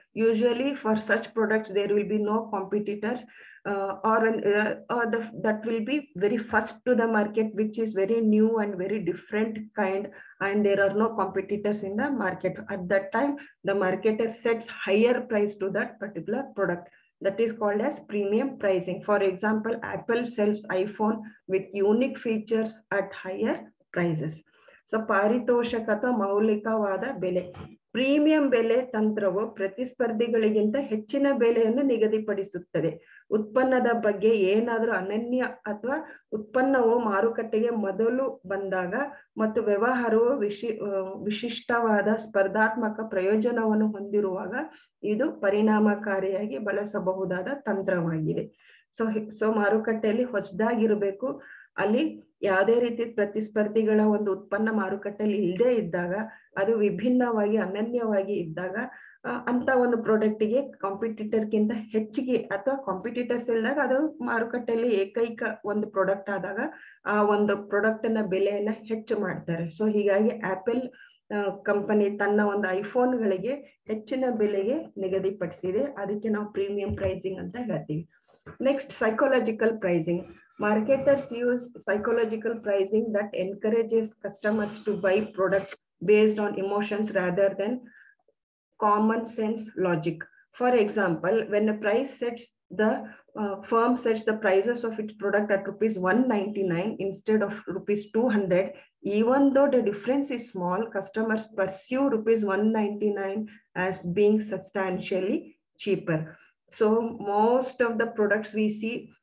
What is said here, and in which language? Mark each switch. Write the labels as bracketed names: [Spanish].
[English] Usually for such products there will be no competitors that will be very first to the market, which is very new and very different kind, and there are no competitors in the market. At that time the marketer sets higher price to that particular product. That is called as premium pricing. For example, Apple sells iPhone with unique features at higher prices. [Kannada] So ಪಾರಿತೋಷಕದ ಮೌಲಿಕವಾದ ಬೆಲೆ. Premium ಬೆಲೆ ತಂತ್ರವು ಪ್ರತಿಸ್ಪರ್ಧಿಗಳಿಗಿಂತ ಹೆಚ್ಚಿನ ಬೆಲೆಯನ್ನು ನಿಗದಿಪಡಿಸುತ್ತದೆ. ಉತ್ಪನ್ನದ ಬಗ್ಗೆ ಏನಾದರೂ ಅನನ್ಯ ಅಥವಾ ಉತ್ಪನ್ನವು ಮಾರುಕಟ್ಟೆಗೆ ಮೊದಲು ಬಂದಾಗ ಮತ್ತು ವ್ಯವಹಾರವು ವಿಶಿಷ್ಟವಾದ ಸ್ಪರ್ಧಾತ್ಮಕ ಪ್ರಯೋಜನವನ್ನು ಹೊಂದಿರುವಾಗ ಇದು ಪರಿಣಾಮಕಾರಿಯಾಗಿ ಬಳಸಬಹುದಾದ ತಂತ್ರವಾಗಿದೆ. ಸೊ ಮಾರುಕಟ್ಟೆಯಲ್ಲಿ ಹೊಸದಾಗಿರಬೇಕು. ಅಲ್ಲಿ ಯಾವುದೇ ರೀತಿ ಪ್ರತಿಸ್ಪರ್ಧಿಗಳ ಒಂದು ಉತ್ಪನ್ನ ಮಾರುಕಟ್ಟೆಯಲ್ಲಿ ಇಲ್ಲದೇ ಇದ್ದಾಗ, ಅದು ವಿಭಿನ್ನವಾಗಿ ಅನನ್ಯವಾಗಿ ಇದ್ದಾಗ, ಅಂತ ಒಂದು ಪ್ರಾಡಕ್ಟಿಗೆ ಕಾಂಪಿಟಿಟರ್ಗಿಂತ ಹೆಚ್ಚಿಗೆ ಅಥವಾ ಕಾಂಪಿಟಿಟರ್ಸ್ ಇಲ್ಲದಾಗ ಅದು ಮಾರುಕಟ್ಟೆಯಲ್ಲಿ ಏಕೈಕ ಒಂದು ಪ್ರಾಡಕ್ಟ್ ಆದಾಗ ಆ ಒಂದು ಪ್ರಾಡಕ್ಟ್ನ ಬೆಲೆಯನ್ನು ಹೆಚ್ಚು ಮಾಡ್ತಾರೆ. ಸೊ ಹೀಗಾಗಿ ಆಪಲ್ ಕಂಪನಿ ತನ್ನ ಒಂದು ಐಫೋನ್ಗಳಿಗೆ ಹೆಚ್ಚಿನ ಬೆಲೆಗೆ ನಿಗದಿಪಡಿಸಿದೆ. ಅದಕ್ಕೆ ನಾವು ಪ್ರೀಮಿಯಂ ಪ್ರೈಸಿಂಗ್ ಅಂತ ಹೇಳ್ತೀವಿ. [English] Next psychological pricing. Marketers use psychological pricing that encourages customers to buy products based on emotions rather than common sense logic. For example, when a price sets the firm sets the prices of its product at rupees 199 instead of rupees 200, even though the difference is small, customers perceive rupees 199 as being substantially cheaper. So most of the products we see